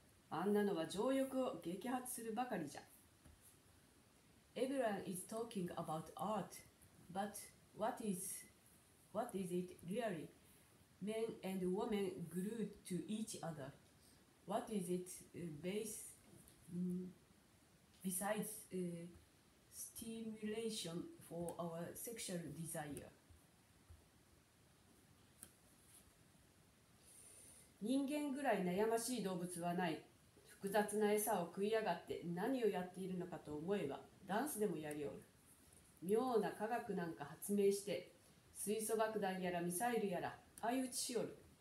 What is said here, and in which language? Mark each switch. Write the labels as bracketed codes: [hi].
[ja] あんなのは情欲を激発するばかりじゃ。 [en] Everyone is talking about art, but what is it really? Men and women glued to each other. What is it base besides stimulation for our sexual desire? [ja] 人間ぐらい悩ましい動物はない。複雑な餌を食いやがって何をやっているのかと思えばダンスでもやりおる。妙な科学なんか発明して水素爆弾やらミサイルやら相打ちしおる。